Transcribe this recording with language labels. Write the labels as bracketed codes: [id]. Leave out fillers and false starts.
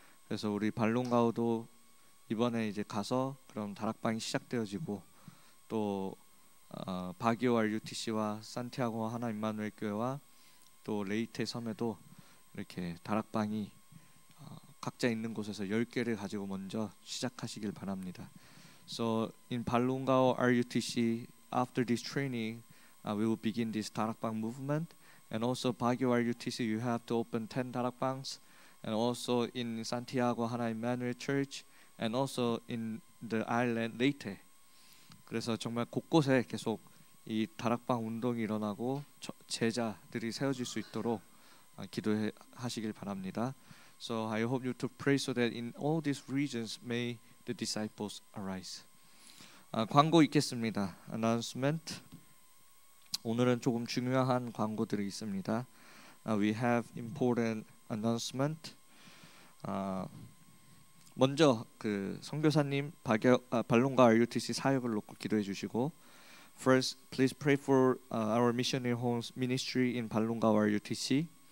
[ko] 그래서 우리 발롱가우도 이번에 이제 가서 그럼 다락방이 시작되어지고 또 바기오 RUTC와 산티아고 하나님 마누엘 교회와 또 레이테 섬에도 이렇게 다락방이 각자 있는 곳에서 10개를 가지고 먼저 시작하시길 바랍니다. [en] So in 발롱가우 RUTC after this training we will begin this 다락방 movement. And also, Baguio RUTC, you have to open 10 Darakbangs. And also in Santiago, Hana Emmanuel Church. And also in the island, Leyte. [ko] 그래서 정말 곳곳에 계속 이 다락방 운동이 일어나고 제자들이 세워질 수 있도록 기도하시길 바랍니다. [en] So I hope you to pray so that in all these regions may the disciples arise. [ko] 광고 있겠습니다. Announcement. 오늘은 조금 중요한 광고들이 있습니다. [en] We have important announcement. [ko] 먼저 그 선교사님 발롱가 RUTC 사역을 놓고 기도해 주시고 [en] First, please pray for our missionary home's ministry in 발롱가 RUTC.